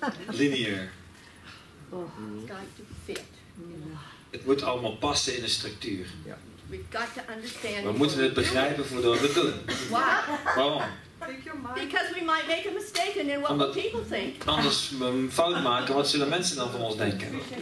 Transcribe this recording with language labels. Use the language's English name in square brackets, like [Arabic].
[English] Linear. [Dutch] Het moet allemaal passen in een structuur. [English] We've got to understand. [Dutch] We moeten het begrijpen voordat we het doen. Waarom? [English] Because we might make a mistake and then what will people think? [Dutch] Anders een fout maken, wat zullen mensen dan van ons denken?